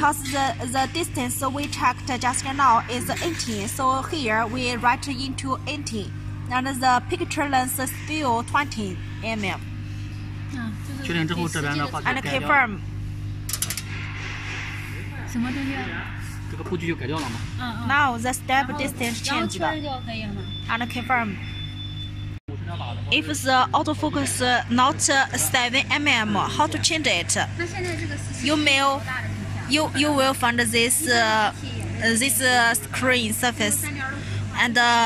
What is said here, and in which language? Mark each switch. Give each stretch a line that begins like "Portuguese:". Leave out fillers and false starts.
English: Because the distance we checked just now is 18, so here we write into 18, and the picture length is still 20 mm.
Chinese: 确定之后，这边的话就改掉了。什么东西？这个步距就改掉了吗？嗯嗯。
English: Now the step distance changed.
Chinese: 然后确认就可以了吗？
English: And confirm. If the autofocus not 7 mm, how to change it? You will find this screen surface, and